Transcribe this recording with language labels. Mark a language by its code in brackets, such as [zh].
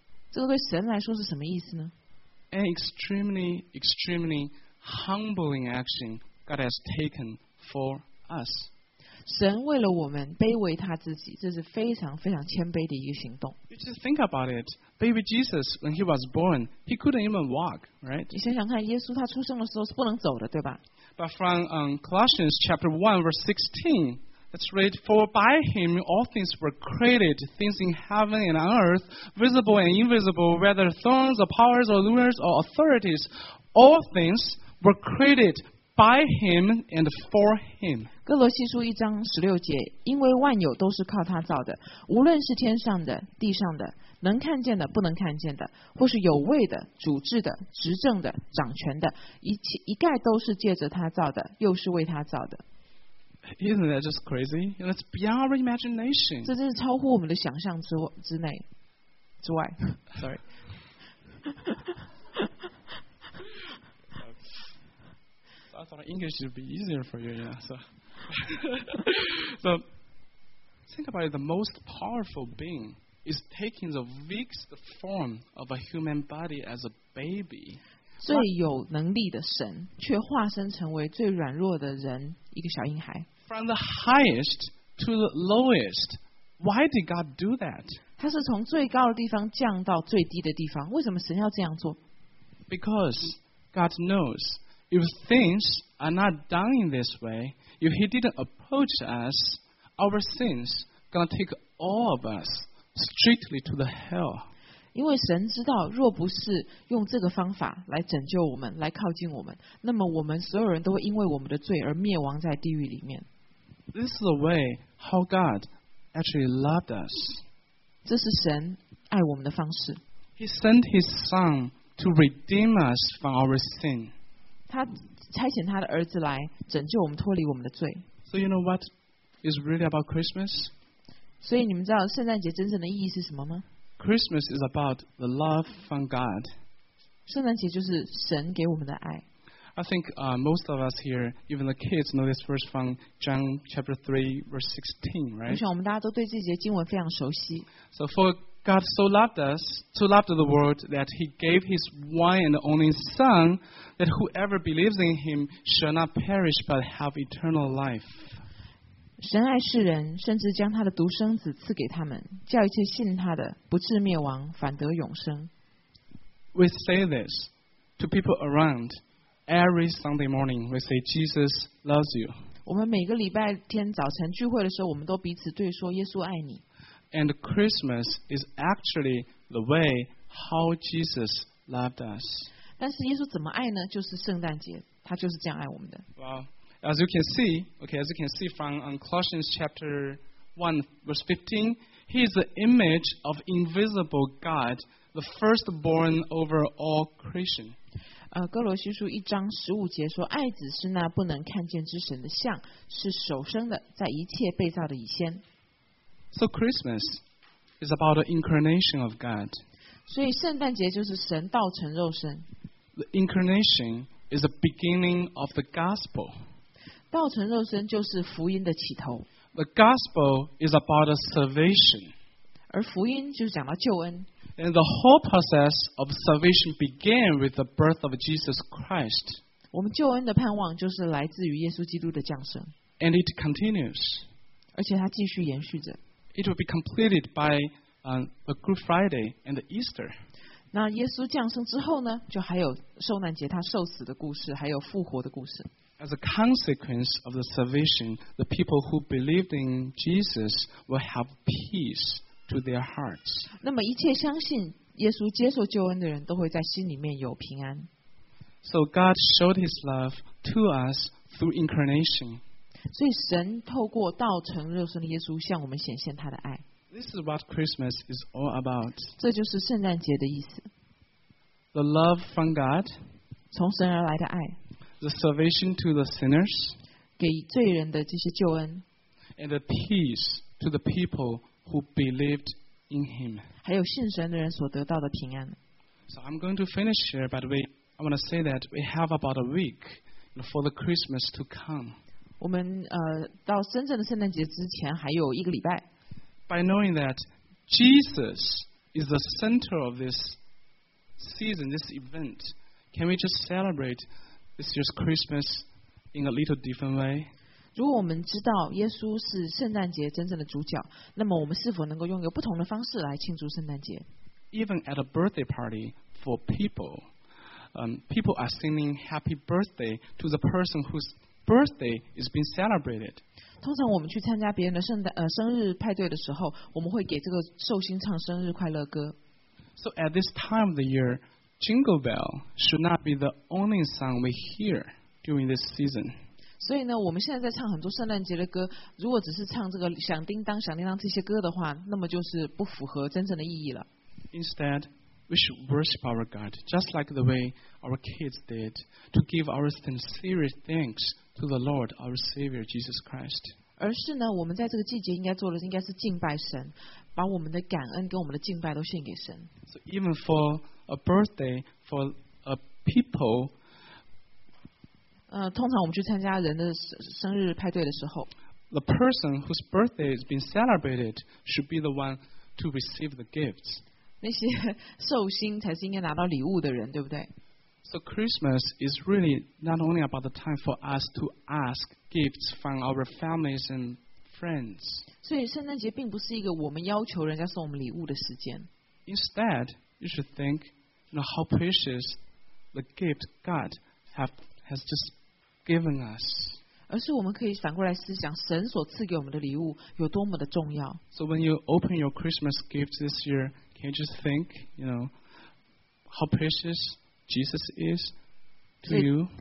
[zh] 这个对神来说是什么意思呢 [en] ？An extremely, extremely humbling action God has taken for us. [zh] 神为了我们卑微他自己，这是非常非常谦卑的一个行动。 [en] You just think about it, baby Jesus when he was born, he couldn't even walk, right? [zh] 你想想看，耶稣他出生的时候是不能走的，对吧 [en] ？But from Colossians chapter 1 verse 16. Let's read, for by him all things were created, things in heaven and on earth, visible and invisible, whether thrones or powers or rulers or authorities, all things were created by him and for him. [zh] 哥罗西书一章十六节，因为万有都是靠他造的，无论是天上的、地上的，能看见的、不能看见的，或是有位的、主治的、执政的、掌权的，一概都是借着他造的，又是为他造的。 [en] Isn't that just crazy? You know, it's beyond our imagination. [zh] 这真是超乎我们的想象之内之外 [en] Sorry. I thought English would be easier for you, yeah. So, So, think about it. The most powerful being is taking the weakest form of a human body as a baby. [zh] 最有能力的神却化身成为最软弱的人，一个小婴孩。 [en] From the highest to the lowest, why did God do that? [zh] 他是从最高的地方降到最低的地方，为什么神要这样做？ [en] Because God knows if things are not done in this way, if He didn't approach us, our sins gonna take all of us strictly to the hell. [zh] 因为神知道，若不是用这个方法来拯救我们，来靠近我们，那么我们所有人都会因为我们的罪而灭亡在地狱里面。 [en] This is the way how God actually loved us. [zh] 这是神爱我们的方式。 [en] He sent His Son to redeem us from our sin. [zh] 他差遣他的儿子来拯救我们，脱离我们的罪。 [en] So you know what is really about Christmas? [zh] 所以你们知道圣诞节真正的意义是什么吗？ [en] Christmas is about the love from God. [zh] 圣诞节就是神给我们的爱。 [en] I think most of us here, even the kids, know this verse from John chapter 3, verse 16, right? [zh] 我想我们大家都对这节经文非常熟悉。 [en] So for God so loved us, so loved the world, that He gave His one and only Son, that whoever believes in Him shall not perish but have eternal life. [zh] 神爱世人，甚至将他的独生子赐给他们，叫一切信他的不至灭亡，反得永生。 [en] We say this to people around every Sunday morning. We say Jesus loves you. [zh] 我们每个礼拜天早晨聚会的时候，我们都彼此对说耶稣爱你。 [en] And Christmas is actually the way how Jesus loved us. [zh] 但是耶稣怎么爱呢？就是圣诞节，他就是这样爱我们的。 [en] Wow. As you can see, okay, as you can see from Colossians chapter 1, verse 15, He is the image of invisible God, the firstborn over all creation. [zh] 哥罗西书一章十五节说，爱子是那不能看见之神的像，是首生的，在一切被造的以先。 [en] So Christmas is about the incarnation of God. [zh] 所以圣诞节就是神道成肉身。 [en] The incarnation is the beginning of the gospel. [zh] 道成肉身就是福音的起头。 [en] The gospel is about a salvation. [zh] 而福音就是讲到救恩。 [en] And the whole process of salvation began with the birth of Jesus Christ. [zh] 我们救恩的盼望就是来自于耶稣基督的降生。 [en] And it continues. [zh] 而且它继续延续着。 [en] It will be completed by the Good Friday and Easter. [zh] 那耶稣降生之后呢，就还有受难节他受死的故事，还有复活的故事。 [en] As a consequence of the salvation, the people who believed in Jesus will have peace to their hearts. [zh] 那么一切相信耶稣接受救恩的人都会在心里面有平安。 [en] So God showed His love to us through incarnation. [zh] 所以神透过道成肉身的耶稣向我们显现他的爱。 [en] This is what Christmas is all about. [zh] 这就是圣诞节的意思。 [en] The love from God. [zh] 从神而来的爱。 [en] The salvation to the sinners, [zh] 给罪人的这些救恩 [en] and the peace to the people who believed in Him, [zh] 还有信神的人所得到的平安。 [en] So I'm going to finish here, but I want to say that we have about a week for the Christmas to come. [zh] 我们到真正的圣诞节之前还有一个礼拜。 [en] By knowing that Jesus is the center of this season, this event, can we just celebrate? This is Christmas in a little different way. [zh] 如果我们知道耶稣是圣诞节真正的主角，那么我们是否能够用一个不同的方式来庆祝圣诞节？ [en] Even at a birthday party for people, people are singing happy birthday to the person whose birthday is being celebrated. [zh] 通常我们去参加别人的生日派对的时候，我们会给这个寿星唱生日快乐歌。 [en] So at this time of the year,Jingle Bell should not be the only song we hear during this season. [zh] 所以呢，我们现在在唱很多圣诞节的歌。如果只是唱这个响叮当、响叮当这些歌的话，那么就是不符合真正的意义了。 [en] Instead, we should worship our God just like the way our kids did to give our sincere thanks to the Lord, our Savior Jesus Christ. [zh] 而是呢，我们在这个季节应该做的应该是敬拜神，把我们的感恩跟我们的敬拜都献给神。 [en] So even for a birthday for a people, [zh] 通常我们去参加人的生日派对的时候， [en] The person whose birthday is being celebrated should be the one to receive the gifts. [zh] 那些寿星才是应该拿到礼物的人，对不对？ [en] So Christmas is really not only about the time for us to ask gifts from our families and friends. [zh] 所以圣诞节并不是一个我们要求人家送我们礼物的时间。 [en] Instead, you should think, you know, how precious the gift God has just given us. [zh] 而是我们可以反过来思想，神所赐给我们的礼物有多么的重要。 [en] So when you open your Christmas gifts this year, can you just think, you know, how precious Jesus is to you?